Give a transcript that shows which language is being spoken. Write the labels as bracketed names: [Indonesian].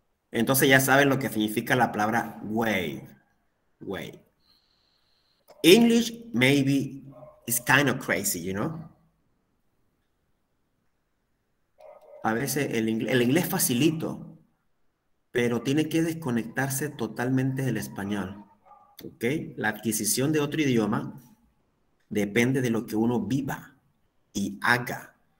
[Spanish] Entonces ya saben lo que significa la palabra wave. [English] Wave. English maybe is kind of crazy, you know? [Spanish] A veces el inglés facilito, pero tiene que desconectarse totalmente del español. ¿Okay? La adquisición de otro idioma depende de lo que uno viva. y haga.